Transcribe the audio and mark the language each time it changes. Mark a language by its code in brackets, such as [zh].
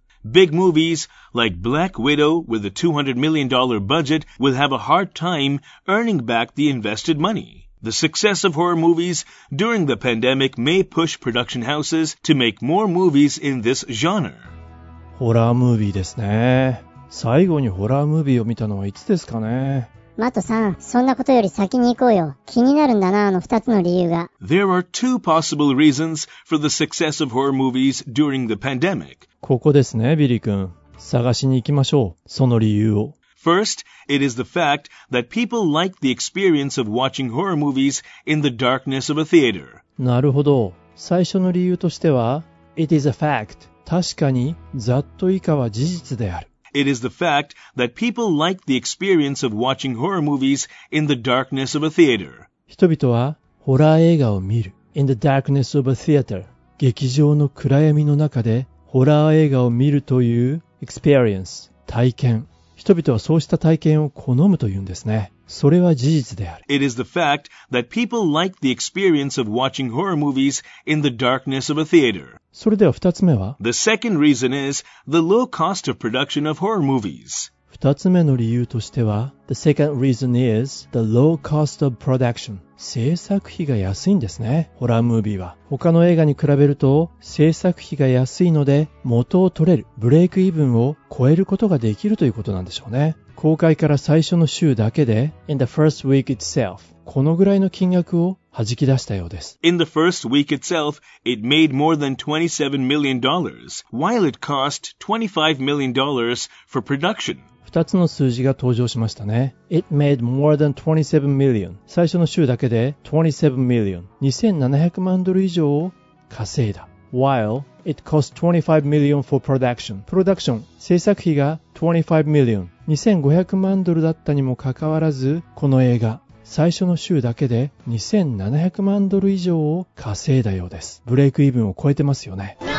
[en] Big movies like Black Widow with a $200 million budget will have a hard time earning back the invested money. The success of horror movies during the pandemic may push production houses to make more movies in this genre. [ja] ホラームービーですね。最後にホラームービーを見たのはいつですかね。マトさん、そんなことより先に行こうよ。気になるんだな、あの二つの理由が。 [en] There are two possible reasons for the success of horror movies during the pandemic. [ja] ここですね、ビリー君。探しに行きましょう。その理由を。 [en] First, it is the fact that people like the experience of watching horror movies in the darkness of a theater. [ja] なるほど。最初の理由としては、 [en] It is a fact. [ja] 確かに、ざっと以下は事実である。 [en] It is the fact that people like the experience of watching horror movies in the darkness of a theater. [ja] 人々はホラー映画を見る。 [en] In the darkness of a theater. [ja] 劇場の暗闇の中でホラー映画を見るという experience. 体験。人々はそうした体験を好むというんですね。それは事実である。 [en] It is the fact that people like the experience of watching horror movies in the darkness of a theater. [ja] それでは二つ目は? [en] The second reason is the low cost of production of horror movies. [ja] 二つ目の理由としては、 [en] The second reason is the low cost of production. [ja] 制作費が安いんですね、ホラームービーは。他の映画に比べると、制作費が安いので、元を取れる、ブレイクイーブンを超えることができるということなんでしょうね。公開から最初の週だけで、 [en] In the first week itself, [ja] このぐらいの金額を弾き出したようです。 [en] In the first week itself, it made more than $27 million, while it cost $25 million for production. [ja] 二つの数字が登場しましたね。 [en] It made more than 27 million. [ja] 最初の週だけで27 million. 2700万ドル以上を稼いだ。 [en] While it cost 25 million for production. [ja] プロダクション、制作費が25 million. 2500万ドルだったにもかかわらず、この映画、最初の週だけで2700万ドル以上を稼いだようです。ブレイクイーブンを超えてますよね。